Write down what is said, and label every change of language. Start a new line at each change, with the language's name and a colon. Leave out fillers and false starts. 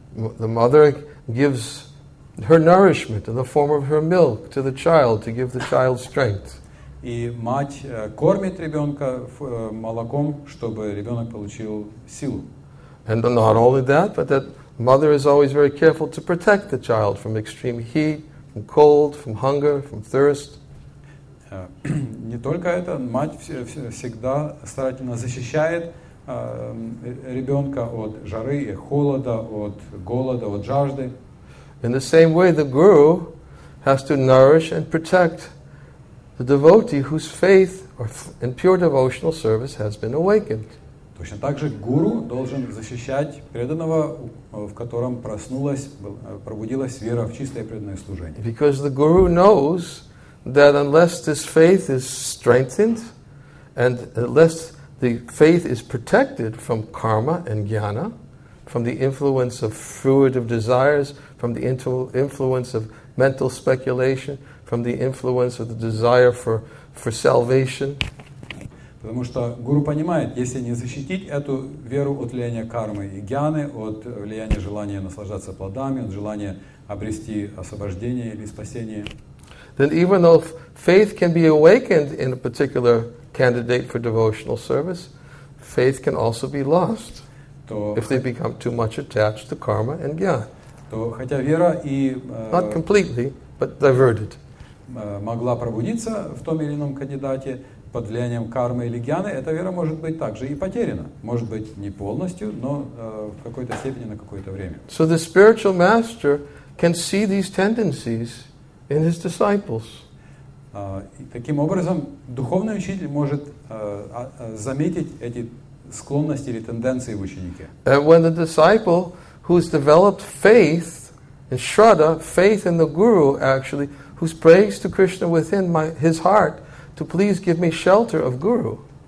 English: The mother gives her nourishment in the form of her milk to the child to give the child strength.
Russian: И мать кормит ребенка молоком, чтобы ребенок получил силу.
English: And not only that, but that mother is always very careful to protect the child from extreme heat, from cold, from hunger, from thirst.
Russian: Не только это, мать всегда старательно защищает ребенка от жары и холода, от голода, от жажды.
English: In the same way, the guru has to nourish and protect the devotee whose faith in pure devotional service has been awakened.
Russian: Точно так же гуру должен защищать преданного, в котором пробудилась вера в чистое преданное служение.
English: Because the guru knows that unless this faith is strengthened and unless the faith is protected from karma and jnana, from the influence of fruitive desires, from the influence of mental speculation, from the influence of the desire for salvation.
Russian: Потому что гуру понимает, если не защитить эту веру от влияния кармы и гьяны, от влияния желания наслаждаться плодами, от желания обрести освобождение или спасение,
English: then even though faith can be awakened in a particular candidate for devotional service, faith can also be lost if they become too much attached to karma and gyan.
Russian: То хотя вера и
English: not completely, but diverted,
Russian: могла пробудиться в том или ином кандидате под влиянием кармы или гьяны, эта вера может быть также и потеряна. Может быть, не полностью, но в какой-то степени, на какое-то время.
English: So the spiritual master can see these tendencies in his disciples.
Russian: Таким образом, духовный учитель может заметить эти склонности или тенденции в ученике.
English: And when the disciple who's developed faith in Shraddha, faith in the guru actually, who's prays to Krishna within his heart, to please give me shelter of guru.